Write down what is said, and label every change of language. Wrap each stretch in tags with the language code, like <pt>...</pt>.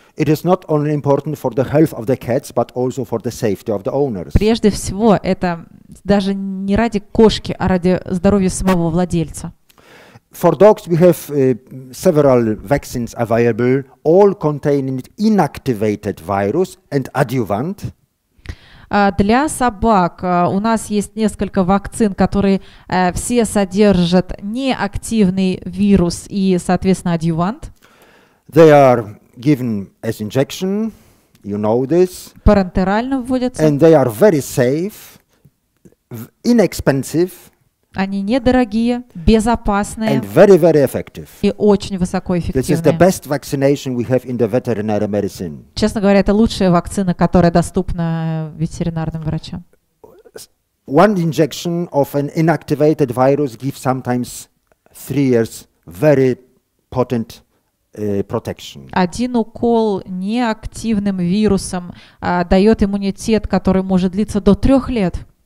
<en>It is not only important for the health of the cats, but also for the safety of the owners.</en> <ru>Прежде всего, это даже не ради кошки, а ради здоровья самого владельца.</ru> <en>For dogs, we have several vaccines available, all containing inactivated virus and adjuvant.</en> <ru>Для собак у нас есть несколько вакцин, которые все содержат неактивный вирус и, соответственно, адъювант.</ru> <en>They are given as injection, you know this.</en> <ru>Парентерально вводятся.</ru> <en>And they are very safe, inexpensive,</en> <ru>Они недорогие, безопасные</ru> <en>and very, very effective.</en> <ru>И очень высокоэффективные.</ru> <en>This is the best vaccination we have in the veterinary medicine.</en> <ru>Честно говоря, это лучшая вакцина, которая доступна ветеринарным врачам.</ru> <en>One injection of an inactivated virus gives sometimes 3 years very potent protection.</en> <ru>Один укол неактивным вирусом дает иммунитет, который может длиться до 3 лет.</ru>